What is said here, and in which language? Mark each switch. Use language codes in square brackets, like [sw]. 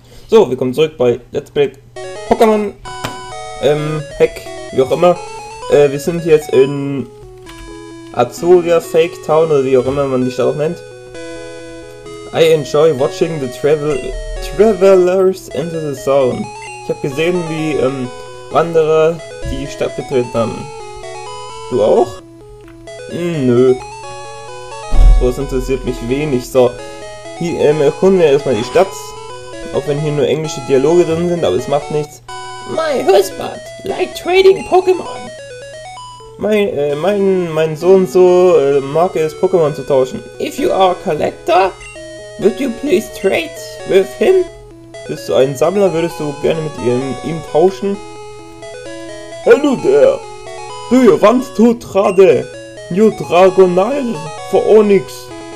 [de] So, wir kommen zurück bei Let's Play Pokémon Hack, wie auch immer. Wir sind jetzt in Azuria Fake Town oder wie auch immer man die Stadt auch nennt. [en] I enjoy watching the travelers into the zone. [de] Ich habe gesehen, wie Wanderer die Stadt betreten haben. Du auch? Nö. So, das interessiert mich wenig. So, hier erkunden wir erstmal die Stadt. Auch wenn hier nur englische Dialoge drin sind, aber es macht nichts. [en] My husband like trading Pokémon. [de] Mein so und so mag es, Pokémon zu tauschen. [en] If you are a collector, would you please trade with him? [de] Bist du ein Sammler, würdest du gerne mit ihm tauschen? [en] Hello there. Do you want to trade New Dragonair for Onix?